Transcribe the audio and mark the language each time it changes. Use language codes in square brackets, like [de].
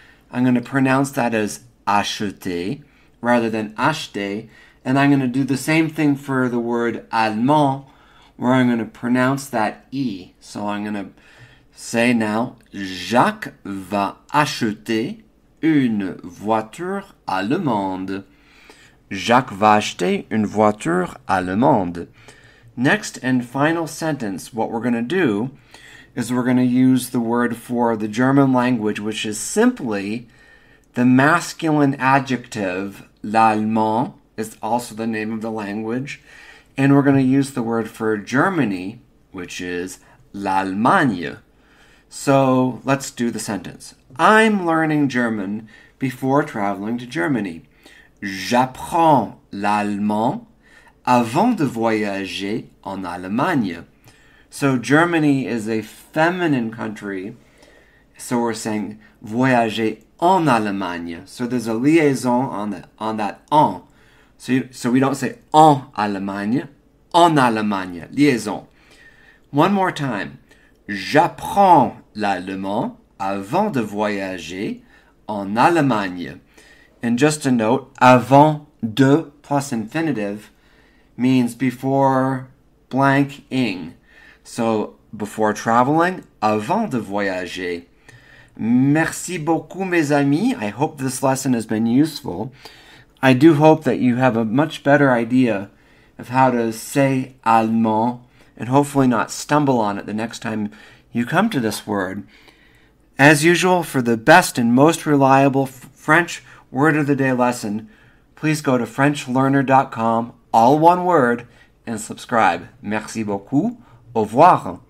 [en] I'm going to pronounce that as acheter rather than acheter. And I'm going to do the same thing for the word allemand, where I'm going to pronounce that E. So I'm going to say now, [fr] Jacques va acheter une voiture allemande. Jacques va acheter une voiture allemande. [en] Next and final sentence, what we're going to do is we're going to use the word for the German language, which is simply the masculine adjective, l'allemand, is also the name of the language. And we're going to use the word for Germany, which is l'Allemagne. So let's do the sentence. I'm learning German before traveling to Germany. [fr] J'apprends l'allemand avant de voyager en Allemagne. [en] So Germany is a feminine country. So we're saying [fr] voyager en Allemagne. [en] So there's a liaison on that en. So we don't say [fr] en Allemagne, en Allemagne, [en] liaison. One more time. [fr] J'apprends l'allemand avant de voyager en Allemagne. [en] And just a note, avant de plus infinitive means before blanking. So, before traveling, [fr] avant de voyager. Merci beaucoup, mes amis. [en] I hope this lesson has been useful. I do hope that you have a much better idea of how to say allemand and hopefully not stumble on it the next time you come to this word. As usual, for the best and most reliable French Word of the Day lesson, please go to FrenchLearner.com, all one word, and subscribe. [fr] Merci beaucoup. Au revoir.